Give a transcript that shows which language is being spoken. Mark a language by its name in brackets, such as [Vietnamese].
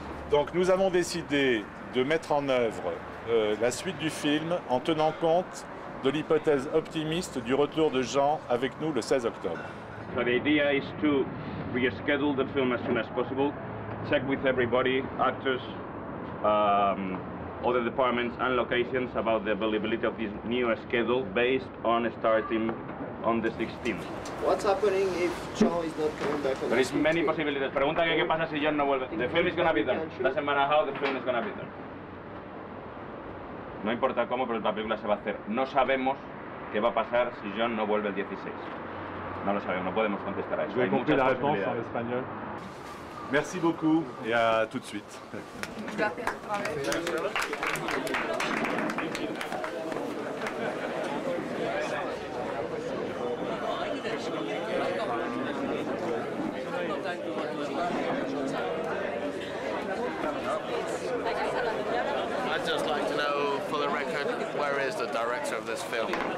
[French] Donc nous avons décidé de mettre en œuvre la suite du film en tenant compte de l'hypothèse optimiste du retour de Jean avec nous le 16 octobre. [English] So the idea is to reschedule the film as soon as possible, check with everybody, actors, other departments and locations about the availability of this new schedule based on starting on the 16th. What's happening if Jean is not coming back on the 16th? There is many possibilities. [Spanish] Pregunta que qué pasa si Jean no vuelve. [English] The film is going to be done. Doesn't matter how the film is going to be done. [Spanish] No importa cómo, pero la película se va a hacer. No sabemos qué va a pasar si John no vuelve el 16. No lo sabemos, no podemos contestar a eso. Hay muchas respuestas en español. [French] Merci beaucoup y a tout de suite. [English] I'd just like to know, for the record, where is the director of this film?